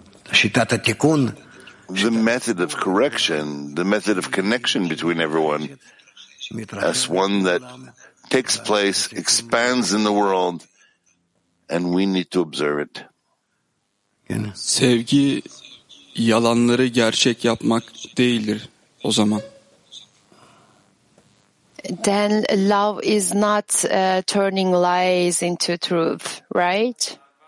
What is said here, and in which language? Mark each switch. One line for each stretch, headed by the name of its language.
English: the method of correction, the method of connection between everyone as one that takes place, expands in the world, and we need to observe it.
Turkish: Sevgi yalanları gerçek yapmak değildir o zaman.
English: Then love is not turning lies into truth, right?